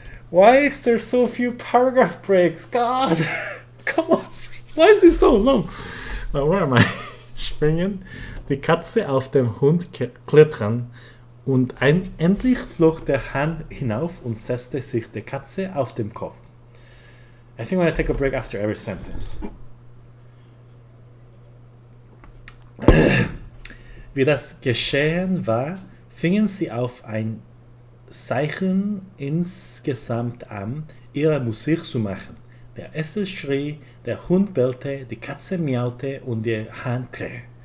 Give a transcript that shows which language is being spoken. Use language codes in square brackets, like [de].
[en] Why is there so few paragraph breaks? God, come on, why is it so long? But where am I? [de] Springen, die Katze auf den Hund klettern, und endlich flog der Hahn hinauf und setzte sich der Katze auf den Kopf. [en] I think I'm gonna take a break after every sentence. [de] Wie das geschehen war, fingen sie auf ein Zeichen insgesamt an, ihre Musik zu machen. Der Esel schrie, der Hund bellte, die Katze miaute und der Hahn krähte.